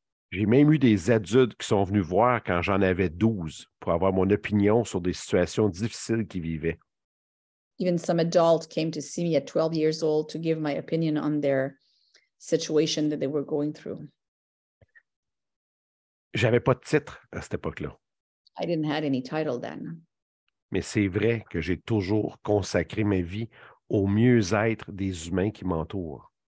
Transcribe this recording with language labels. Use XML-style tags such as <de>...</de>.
<fr>J'ai même eu des adultes qui sont venus voir quand j'en avais 12 pour avoir mon opinion sur des situations difficiles qu'ils vivaient.</fr> <en>Even some adult came to see me at 12 years old to give my opinion on their situation that they were going through.</en> <fr>J'avais pas de titre à cette époque-là.</fr> <en>I didn't have any title then.</en> <fr>Mais c'est vrai que j'ai toujours consacré ma vie au mieux-être des humains qui m'entourent.</fr>